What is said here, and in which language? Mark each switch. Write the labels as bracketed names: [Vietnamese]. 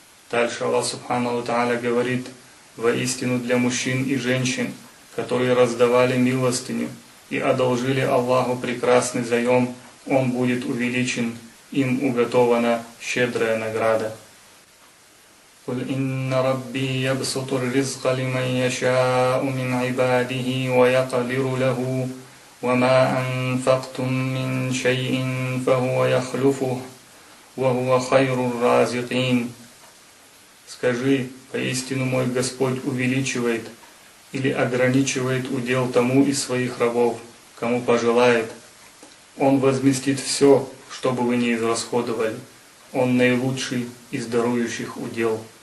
[Russian] Дальше Аллах Субхану ва Тааля говорит: «Воистину для мужчин и женщин, которые раздавали милостыню и одолжили Аллаху прекрасный заем, он будет увеличен, им уготована щедрая награда». [Arabic] قل إن ربي يبسط الرزق لمن يشاء من عباده ويقدر له وما أنفقتم من شيء فهو يخلفه وهو خير الرازقين. [Russian] Скажи: «Поистину мой Господь увеличивает или ограничивает удел тому из своих рабов, кому пожелает. Он возместит все, что бы вы ни израсходовали. Он наилучший из дарующих удел».